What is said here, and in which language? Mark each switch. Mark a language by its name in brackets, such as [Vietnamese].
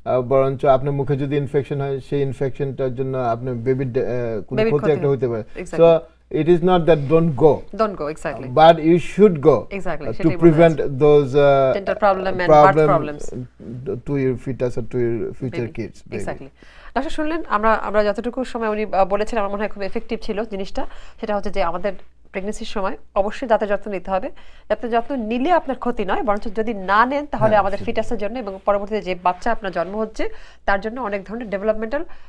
[Bangla] বরঞ্চ আপনার মুখে যদি ইনফেকশন হয় সেই ইনফেকশনটার জন্য আপনার বেবির ক্ষতি একটা হতে পারে [English] It is not that don't go exactly but you should go exactly to prevent those dental problem and problem birth problems to your fetus or to your future baby. kids baby. [Bangla] exactly আচ্ছা শুনলেন আমরা যতটুকু সময় উনি বলেছেন আমার মনে হয় খুব এফেক্টিভ ছিল জিনিসটা সেটা হচ্ছে যে আমাদের প্রেগনেন্সির সময় অবশ্যই দাঁতের যত্ন নিতে হবে দাঁতের যত্ন নিলে আপনার ক্ষতি নয় বরঞ্চ যদি না নেন তাহলে আমাদের ফিটাসের জন্য এবং পরবর্তীতে যে বাচ্চা আপনার জন্ম হচ্ছে তার জন্য অনেক ধরনের ডেভেলপমেন্টাল